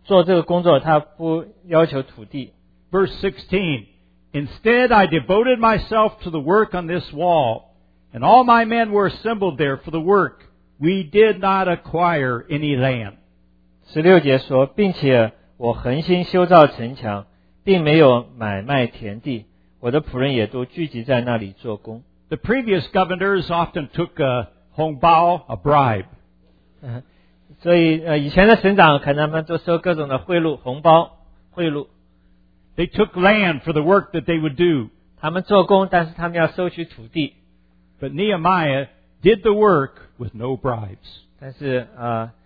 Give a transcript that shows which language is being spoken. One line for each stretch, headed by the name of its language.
Chinese: 第三个我们看见尼希米的榜样，他做这个工作，他不要求土地。
English: Verse 16, Instead, I devoted myself to the work on this wall, and all my men were assembled there for the work. We did not acquire any land.
Chinese: 16节说，并且我恒心修造城墙，并没有买卖田地。我的仆人也都聚集在那里做工。
English: The previous governors often took a hongbao, a bribe.
Chinese: 所以以前的省长可能他们都收各种的贿赂，红包贿赂。
English: They took land for the work that they would do.
Chinese: 他们做工，但是他们要收取土地。
English: But Nehemiah did the work with no bribes.